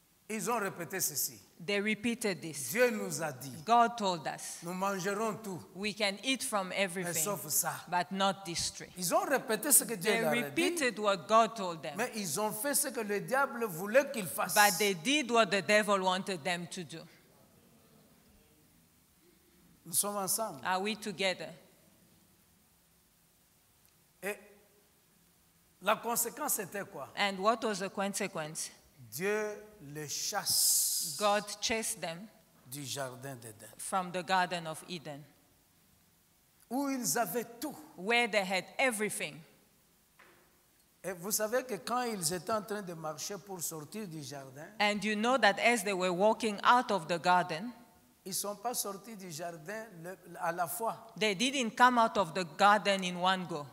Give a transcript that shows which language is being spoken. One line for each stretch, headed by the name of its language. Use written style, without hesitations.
French: Ils ont répété ceci.
English: They repeated this.
French: Dieu nous a dit.
English: God told us.
French: Nous mangerons tout.
English: We can eat from everything.
French: Mais sauf ça.
English: But not this tree.
French: Ils ont répété ce que Dieu leur a dit.
English: They repeated what God told them.
French: Mais ils ont fait ce que le diable voulait qu'ils fassent.
English: But they did what the devil wanted them to do.
French: Nous sommes ensemble.
English: Are we together?
French: Et la conséquence était quoi?
English: And what was the consequence?
French: Dieu les chasse.
English: God chased them
French: du jardin d'Eden.
English: From the garden of Eden.
French: Où ils avaient tout.
English: Where they had everything.
French: Et vous savez que quand ils étaient en train de marcher pour sortir du jardin.
English: And you know that as they were walking out of the garden.
French: Ils sont pas sortis du jardin à la fois.
English: They didn't come out of the garden in one go.